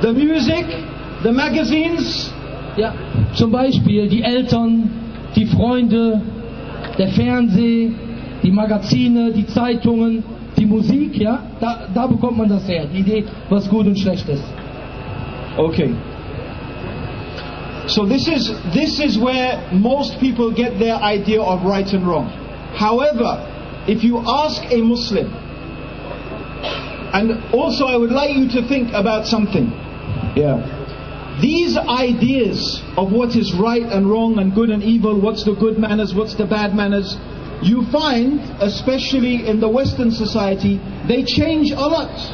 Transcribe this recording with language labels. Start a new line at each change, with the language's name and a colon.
English: The music, the magazines.
German: Ja, zum Beispiel die Eltern, die Freunde, der Fernseh, die Magazine, die Zeitungen, die Musik, ja? Da bekommt man das her, die Idee, was gut und schlecht ist.
English: Okay. So this is where most people get their idea of right and wrong. However, if you ask a Muslim, and also I would like you to think about something. Yeah. These ideas of what is right and wrong and good and evil, what's the good manners, what's the bad manners, you find, especially in the Western society, they change a lot.